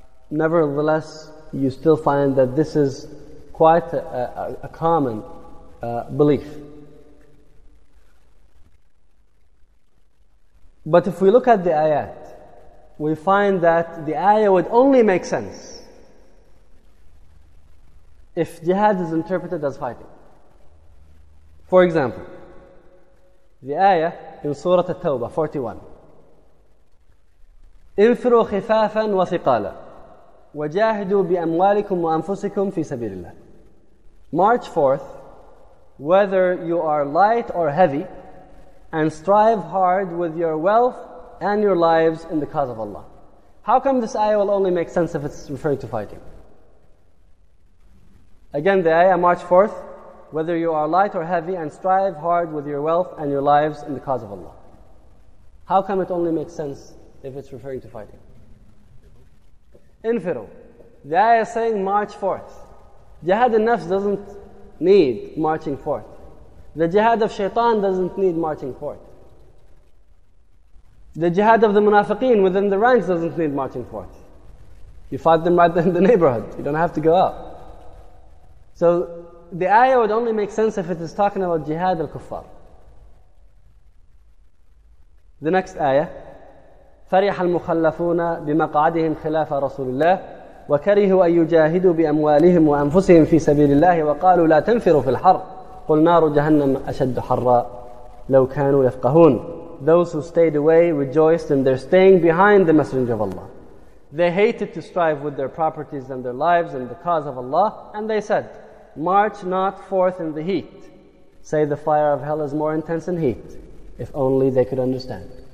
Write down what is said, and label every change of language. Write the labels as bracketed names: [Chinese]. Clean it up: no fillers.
[English] Nevertheless, you still find that this is quite a common belief. But if we look at the ayat, we find that the ayah would only make sense if jihad is interpreted as fighting. For example, the ayah in Surah At-Tawbah 41, [Arabic] إِنْفِرُوا خِفَافًا وَثِقَالًا وَجَاهِدُوا بِأَمْوَالِكُمْ وَأَنفُسِكُمْ فِي سَبِيلِ اللَّهِ. [English] March forth, whether you are light or heavy, and strive hard with your wealth and your lives in the cause of Allah. How come this ayah will only make sense if it's referring to fighting? Again, the ayah, March forth, whether you are light or heavy, and strive hard with your wealth and your lives in the cause of Allah. How come it only makes sense if it's referring to fighting? Infiru. The ayah is saying march forth. Jihad al-nafs doesn't need marching forth. The jihad of shaitan doesn't need marching forth. The jihad of the munafiqeen within the ranks doesn't need marching forth. You fight them right in the neighborhood. You don't have to go out. So the ayah would only make sense if it is talking about jihad al-kuffar. The next ayah. [Arabic] فرح المخلفون بمقعدهم خلاف رسول الله وكرهوا أن يجاهدوا بأموالهم وأنفسهم في سبيل الله وقالوا لا تنفروا في الحر قل نار جهنم أشد حرا لو كانوا يفقهون. [English] Those who stayed away rejoiced in their staying behind the Messenger of Allah. They hated to strive with their properties and their lives and the cause of Allah, and they said, march not forth in the heat. Say the fire of hell is more intense than heat. If only they could understand.